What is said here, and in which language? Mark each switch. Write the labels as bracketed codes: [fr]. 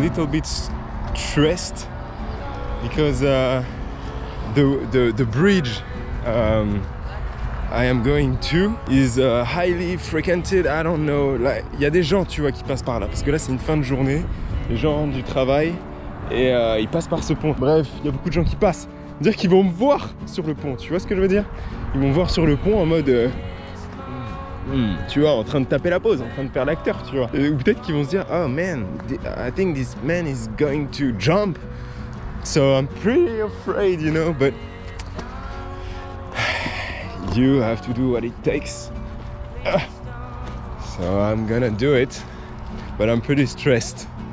[en] Bit stressed because the bridge I am going to is highly frequented. I don't know, like, [fr] il y a des gens, tu vois, qui passent par là, parce que là c'est une fin de journée, les gens du travail, et ils passent par ce pont. Bref, il y a beaucoup de gens qui passent, dire qu'ils vont me voir sur le pont, tu vois ce que je veux dire, ils vont voir sur le pont en mode tu vois, en train de taper la pause, en train de faire l'acteur, tu vois. Ou peut-être qu'ils vont se dire, [en] oh man, I think this man is going to jump. So I'm pretty afraid, you know, but you have to do what it takes. So I'm gonna do it, but I'm pretty stressed.